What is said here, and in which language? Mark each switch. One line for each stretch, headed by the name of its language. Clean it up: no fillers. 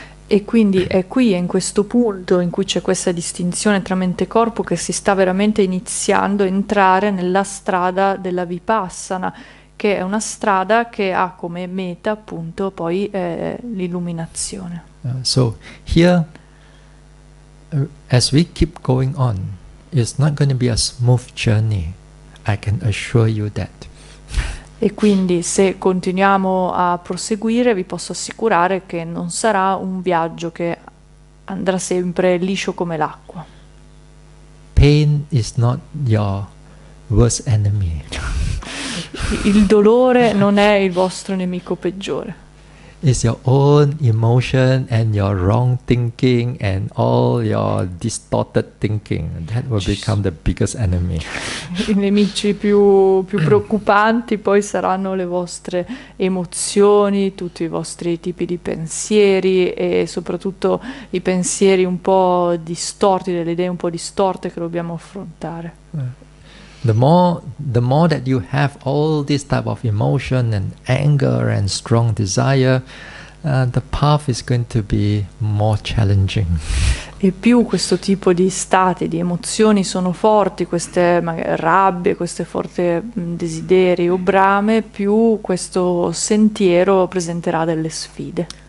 Italian: E quindi è qui, è in questo punto in cui c'è questa distinzione tra mente e corpo, che si sta veramente iniziando a entrare nella strada della Vipassana, che è una strada che ha come meta appunto poi l'illuminazione.
English: So here, as we keep going on, it's not going to be a smooth journey, I can assure you that.
Italian: E quindi se continuiamo a proseguire, vi posso assicurare che non sarà un viaggio che andrà sempre liscio come l'acqua.
English: Pain is not your worst enemy.
Italian: Il dolore non è il vostro nemico peggiore.
English: It's your own emotion and your wrong thinking and all your distorted thinking that will become the biggest enemy.
Italian: I nemici più preoccupanti poi saranno le vostre emozioni, tutti i vostri tipi di pensieri, e soprattutto i pensieri un po' distorti, delle idee un po' distorte che dobbiamo affrontare.
English: The more that you have all this type of emotion and anger and strong desire, the path is going to be more challenging.
Italian: E più questo tipo di stati, di emozioni sono forti, queste rabbie, queste forti desideri o brame, più questo sentiero presenterà delle sfide.